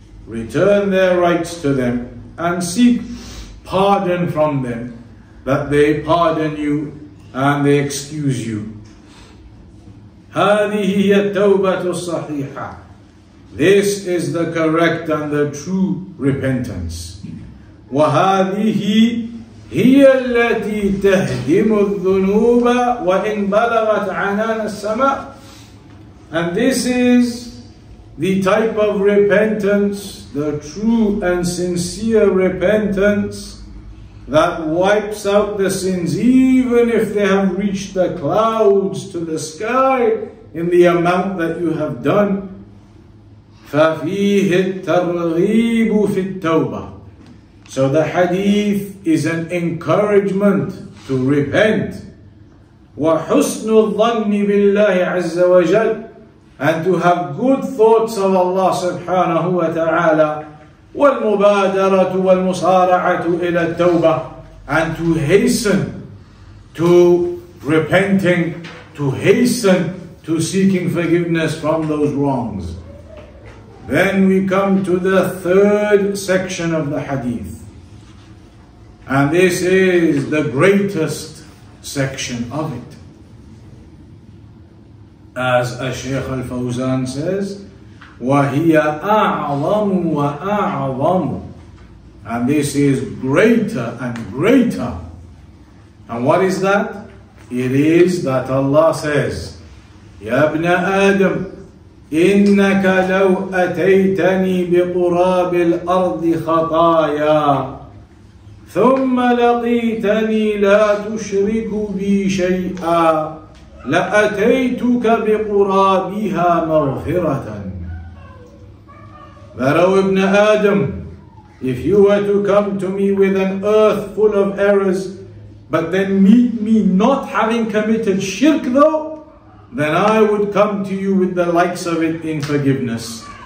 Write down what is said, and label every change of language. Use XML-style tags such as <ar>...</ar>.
<en>Return their rights to them and seek pardon from them, that they pardon you and they excuse you.</en> <ar>هذه هي التوبة الصحيحة.</ar> <en>This is the correct and the true repentance.</en> <ar>وهذه هي التي تهدم الذنوب وإن بلغت عنان السماء.</ar> <en>And this is the type of repentance, the true and sincere repentance, that wipes out the sins even if they have reached the clouds to the sky in the amount that you have done.</en> <ar>ففيه الترغيب في التوبة.</ar> <en>So the hadith is an encouragement to repent.</en> <ar>وحسن الظن بالله عز وجل.</ar> <en>And to have good thoughts of Allah</en> <ar>سبحانه وتعالى. والمبادرة والمصارعة إلى التوبة.</ar> <en>And to hasten to repenting, to hasten to seeking forgiveness from those wrongs. Then we come to the third section of the hadith. And this is the greatest section of it. As Shaykh Al-Fawzan says,</en> <ar>وَهِيَ أَعْظَمُ وَأَعْظَمُ.</ar> <en>And this is greater and greater. And what is that? It is that Allah says,</en> <ar>يَا ابْنَ آدَمْ إِنَّكَ لَوْ أَتَيْتَنِي بِقُرَابِ الْأَرْضِ خَطَايَا ثُمَّ لَقِيتَنِي لَا تُشْرِكُ بِي شَيْئًا لَأَتَيْتُكَ بِقُرَابِهَا مَغْفِرَةً.</ar> <en>That, O Ibn Adam, if you were to come to me with an earth full of errors, but then meet me not having committed shirk though, then I would come to you with the likes of it in forgiveness.</en>